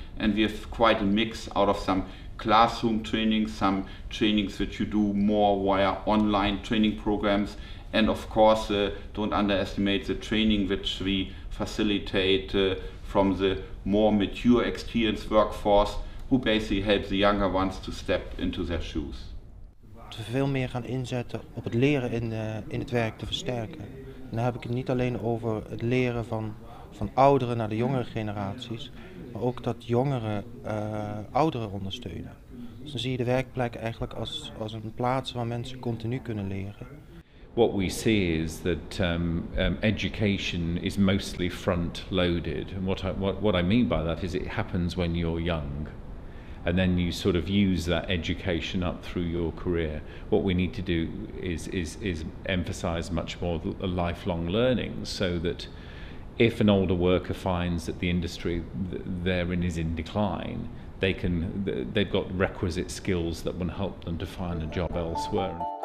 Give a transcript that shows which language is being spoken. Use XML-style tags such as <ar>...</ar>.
<en>And we have quite a mix out of some classroom training, some trainings which you do more via online training programs, and of course don't underestimate the training which we facilitate from the more mature experienced workforce, who basically help the younger ones to step into their shoes.</en> <nl>We veel meer gaan inzetten op het leren in het werk te versterken. En dan heb ik het niet alleen over het leren van ouderen naar de jongere generaties, maar ook dat jongeren ouderen ondersteunen. Dus dan zie je de werkplek eigenlijk als een plaats waar mensen continu kunnen leren.</nl> <en>What we see is that education is mostly front-loaded. And what I mean by that is it happens when you're young. And then you sort of use that education up through your career. What we need to do is emphasize much more the lifelong learning, so that if an older worker finds that the industry they're in is in decline, they've got requisite skills that will help them to find a job elsewhere.</en>